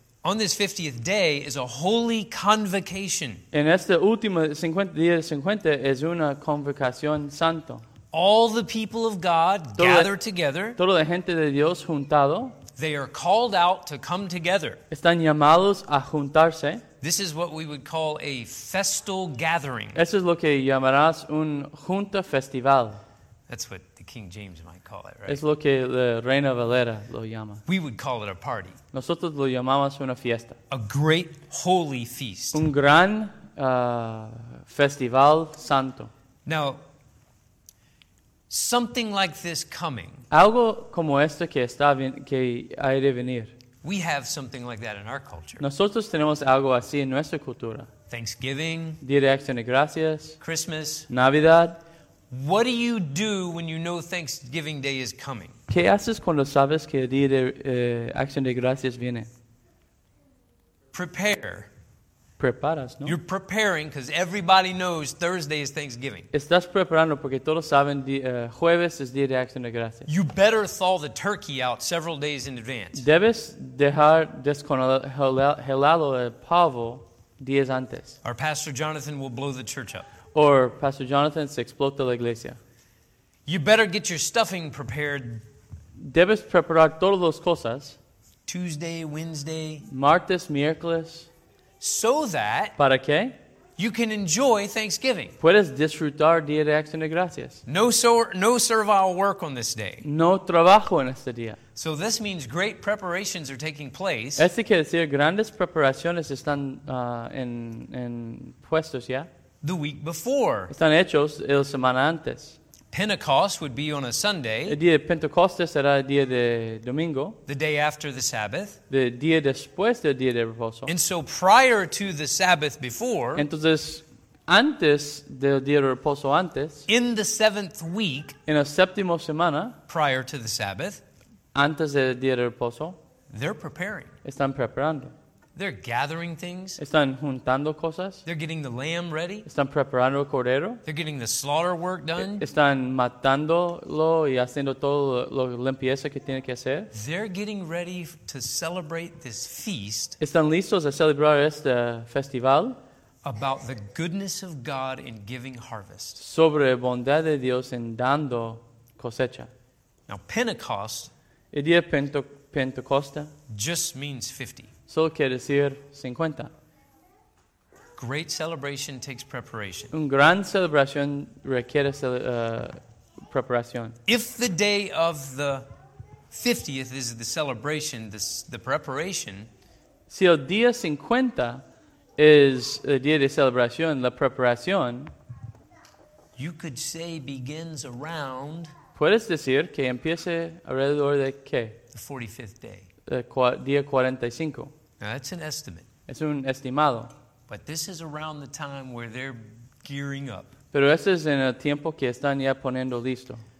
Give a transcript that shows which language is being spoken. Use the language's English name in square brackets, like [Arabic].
[English] On this 50th day is a holy convocation. [Spanish] En este último 50 días 50 es una convocación santo. [English] All the people of God gather together. [Spanish] Toda la gente de Dios juntado. [English] They are called out to come together. [Spanish] Están llamados a juntarse. [English] This is what we would call a festal gathering. [Spanish] Eso es lo que llamarás un junta festival. [English] That's what the King James might call it, right? [Spanish] Es lo que la Reina Valera lo llama. [English] We would call it a party. [Spanish] Nosotros lo llamamos una fiesta. [English] A great holy feast. [Spanish] Un gran festival santo. [English] Now, something like this coming. [Spanish] Algo como esto que está que hay de venir. [English] We have something like that in our culture. [Spanish] Nosotros tenemos algo así en nuestra cultura. [English] Thanksgiving. [Spanish] Día de Acción de Gracias. [English] Christmas. [Spanish] Navidad. [English] What do you do when you know Thanksgiving Day is coming? [Spanish] ¿Qué haces cuando sabes que el Día de Acción de Gracias viene? [English] Prepare. [Spanish] Preparas, ¿no? [English] You're preparing because everybody knows Thursday is Thanksgiving. [Spanish] Estás preparando porque todos saben jueves es Día de Acción de Gracias. [English] You better thaw the turkey out several days in advance. [Spanish] Debes dejar descongelado el pavo días antes. [English] Our Pastor Jonathan will blow the church up. [Spanish] Or Pastor Jonathan se explota la iglesia. [English] You better get your stuffing prepared. [Spanish] Debes preparar todas las cosas. [English] Tuesday, Wednesday. [Spanish] Martes, miércoles. [English] So that [Spanish] ¿para qué? [English] You can enjoy Thanksgiving. [Spanish] Puedes disfrutar Día de Acción de Gracias. [English] No servile work on this day. [Spanish] No trabajo en este día. [English] So this means great preparations are taking place. [Spanish] Esto quiere decir grandes preparaciones están en puestos ya. [English] The week before. [Spanish] Están hechos la semana antes. [English] Pentecost would be on a Sunday. [Spanish] El día de Pentecostés era el día de domingo. [English] The day after the Sabbath. [Spanish] The día después del día de reposo. [English] And so prior to the Sabbath before. [Spanish] Entonces, antes del día de reposo antes. [English] In the seventh week. [Spanish] En la séptima semana. [English] Prior to the Sabbath. [Spanish] Antes del día de reposo. [English] They're preparing. [Spanish] Están preparando. [English] They're gathering things. [Spanish] Están juntando cosas. [English] They're getting the lamb ready. [Spanish] Están preparando el cordero. [English] They're getting the slaughter work done. [Spanish] Están matándolo y haciendo todo lo limpieza que tiene que hacer. [English] They're getting ready to celebrate this feast. [Spanish] Están listos a celebrar este festival. [English] About the goodness of God in giving harvest. [Spanish] Sobre la bondad de Dios en dando cosecha. [English] Now Pentecost. [Spanish] El día Pentecostés. [English] Just means 50. [Spanish] Solo quiere decir 50. [English] Great celebration takes preparation. [Spanish] Un gran celebración requiere preparación. [English] If the day of the 50th is the celebration, the preparation. [Spanish] Si el día 50 es el día de celebración, la preparación. [English] You could say begins around. [Spanish] Puedes decir que empiece alrededor de qué? [English] The 45th day. [Spanish] Día 45. [English] Now, that's an estimate. [Spanish] Es un estimado. [English] But this is around the time where they're gearing up. [Spanish] Pero este es en el tiempo que están ya poniendo listo.